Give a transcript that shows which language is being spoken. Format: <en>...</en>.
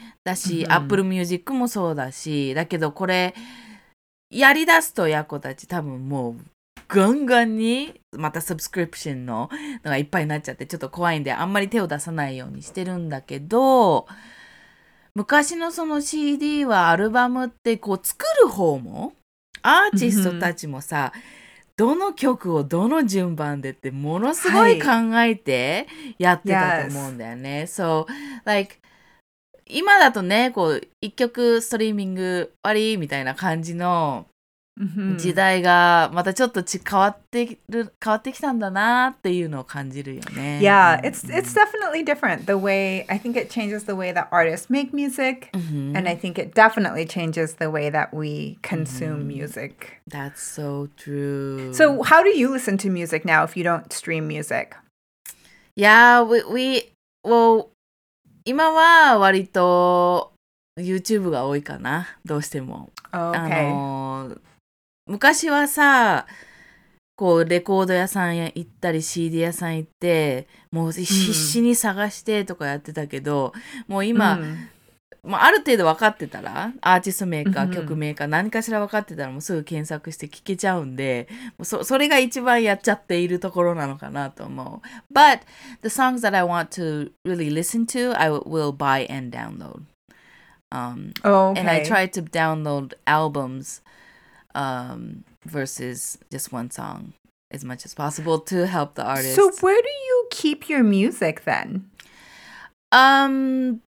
<ja>だし、Apple Music もそうだし、だけどこれやりだすとやこたち多分もうガンガンにまたサブスクリプションののがいっぱいになっちゃってちょっと怖いんであんまり手を出さないようにしてるんだけど、昔のその CD はアルバムってこう作る方もアーティストたちもさ、どの曲をどの順番でってものすごい考えてやってたと思うんだよね。</ja> <en>So, like,</en> <ja>今だとね、こう、一曲ストリーミング終わりみたいな感じの時代がまたちょっと変わってきたんだなっていうのを感じるよね。</ja> <en>Yeah, it's definitely different. The way, I think it changes the way that artists make music. And I think it definitely changes the way that we consume music. That's so true. So how do you listen to music now if you don't stream music? Yeah, well...</en> <ja>今は割と YouTube が多いかな、どうしても。</ja> <en>Okay.</en> <ja>昔はさ、こうレコード屋さん行ったり CD 屋さん行って、もう必死に探してとかやってたけど、もう今、まあ、ある程度分かってたら、アーティストメーカー、曲メーカー、何かしら分かってたらもうすぐ検索して聞けちゃうんで、もう それが一番やっちゃっているところなのかなと思う。</ja> <en>But the songs that I want to really listen to, I will buy and download. And I try to download albums, versus just one song as much as possible to help the artist. So where do you keep your music then?</en>